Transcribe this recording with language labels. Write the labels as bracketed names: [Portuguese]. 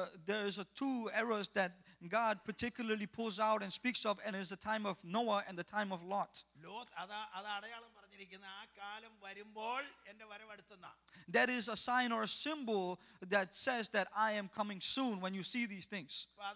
[English] There is two eras that God particularly pulls out and speaks of, and is the time of Noah and the time of Lot. [Malayalam] Lot അതാ അടയാളം പറഞ്ഞിരിക്കുന്ന ആ കാലം വരുമ്പോൾ എന്റെ വരവ് അടുത്തുന്നാ. [English] there is a sign or a symbol that says that I am coming soon when you see these things.